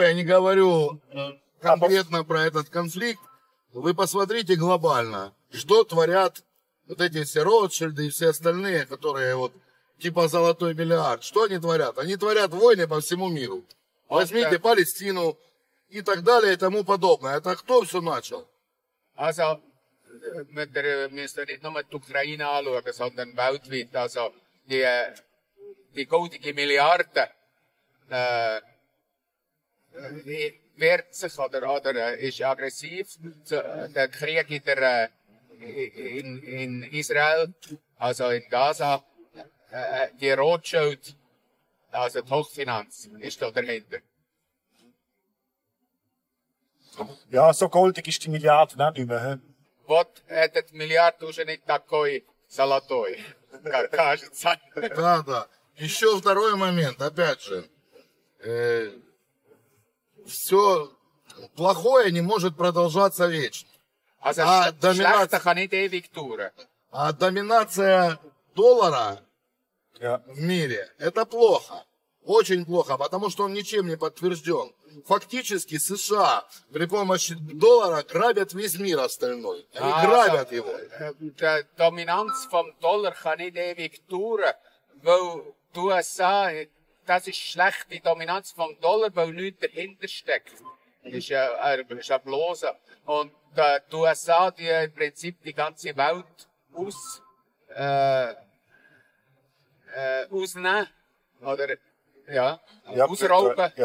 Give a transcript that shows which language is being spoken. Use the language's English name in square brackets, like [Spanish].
[Russian] я не говорю конкретно про этот конфликт. Вы посмотрите глобально, что творят вот эти все Ротшильды и все остальные, которые вот типа золотой миллиард. Что они творят? Они творят войны по всему миру. Возьмите Палестину и так далее, и тому подобное. Это кто все начал? [German] Also, wir müssen nicht nur die Ukraine anschauen, sondern weltweit. Also, die goldige Milliarde wehrt sich, oder ist aggressiv. Der Krieg in Israel, also in Gaza, die Rothschild, also die Hochfinanz, ist da dahinter. Ja, so goldig ist die Milliarde nicht mehr. [Russian] Вот этот миллиард уже не такой золотой, как кажется. Да-да. Еще второй момент, опять же. Все плохое не может продолжаться вечно. А доминация доллара в мире, это плохо. Очень плохо, потому что он ничем не подтвержден. Фактически США при помощи доллара грабят весь мир остальной. И грабят его. [German] Доминанс vom Dollar kann nicht ewig dauern, weil die USA, das ist schlecht, die Dominanz vom Dollar, weil nichts dahinter steckt. Ist ja bloß. Und die USA, die im Prinzip die ganze Welt ausnehmen, oder ausrauben,